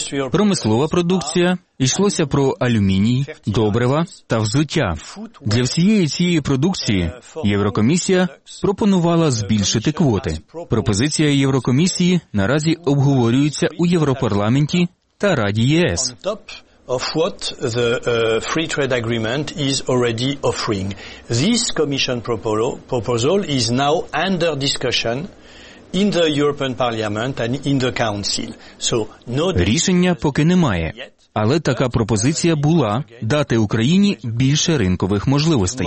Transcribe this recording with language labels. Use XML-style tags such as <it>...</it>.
<uk>Промислова продукція, йшлося про алюміній, добрива та взуття. Для всієї цієї продукції Єврокомісія пропонувала збільшити квоти. Пропозиція Єврокомісії наразі обговорюється у Європарламенті та Раді ЄС.</uk> <en>Of what the free trade agreement is already offering. This commission proposal is now under discussion in the European Parliament and in the Council. So, no</en> <uk>рішення поки немає. Але така пропозиція була дати Україні більше ринкових можливостей.</uk>